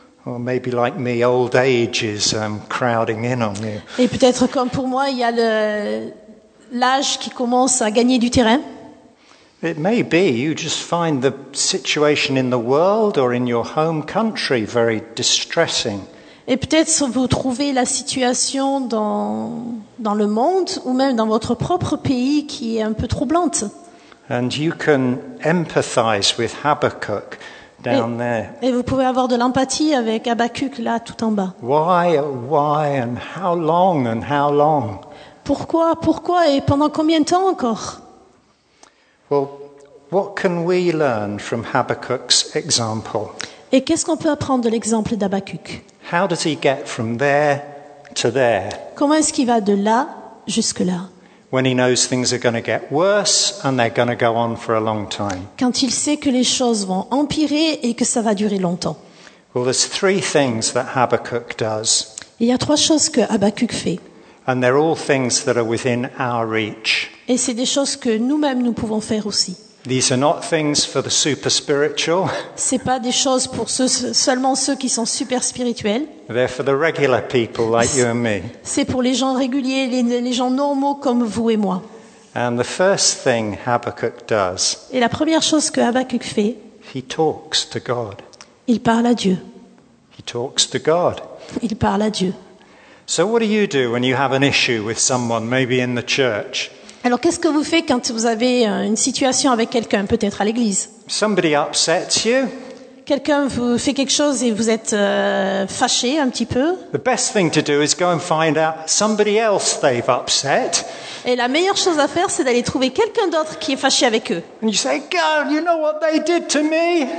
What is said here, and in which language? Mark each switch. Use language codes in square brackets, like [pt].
[en] Or maybe like me, old age is crowding in on you. [fr] Et peut-être comme pour moi, il y a l'âge qui commence à gagner du terrain. [en] It may be you just find the situation in the world or in your home country very distressing. [fr] Et peut-être vous trouvez la situation dans le monde ou même dans votre propre pays qui est un peu troublante. [en] And you can empathize with Habakkuk down there. [fr] Et vous pouvez avoir de l'empathie avec Habakkuk là tout en bas. [en] Why and how long and how long? [fr] Pourquoi et pendant combien de temps encore? [en] Well, what can we learn from Habakkuk's example? [fr] Et qu'est-ce qu'on peut apprendre de l'exemple d'Habakkuk? [en] How does he get from there to there? [fr] Comment est-ce qu'il va de là jusque là? [en] When he knows things are going to get worse and they're going to go on for a long time. [fr] Quand il sait que les choses vont empirer et que ça va durer longtemps. [en] Well, there's three things that Habakkuk does. [fr] Il y a trois choses que Habakkuk fait. [en] And they're all things that are within our reach. [fr] Et c'est des choses que nous-mêmes nous pouvons faire aussi. [en] These are not things for the super spiritual. [fr] C'est pas des choses pour seulement ceux qui sont super spirituels. [en] They're for the regular people like you and me. [fr] C'est pour les gens réguliers, les gens normaux comme vous et moi. [en] And the first thing Habakkuk does. [fr] Et la première chose que Habakkuk fait. [en] He talks to God. [fr] Il parle à Dieu. [en] He talks to God. [fr] Il parle à Dieu. [en] So what do you do when you have an issue with someone, maybe in the church? [fr] Alors qu'est-ce que vous faites quand vous avez une situation avec quelqu'un, peut-être à l'église? [en] Somebody upsets you. [fr] Quelqu'un vous fait quelque chose et vous êtes fâché un petit peu. [en] The best thing to do is go and find out somebody else they've upset. [fr] Et la meilleure chose à faire, c'est d'aller trouver quelqu'un d'autre qui est fâché avec eux. [en] And you say, girl, you know what they did to me?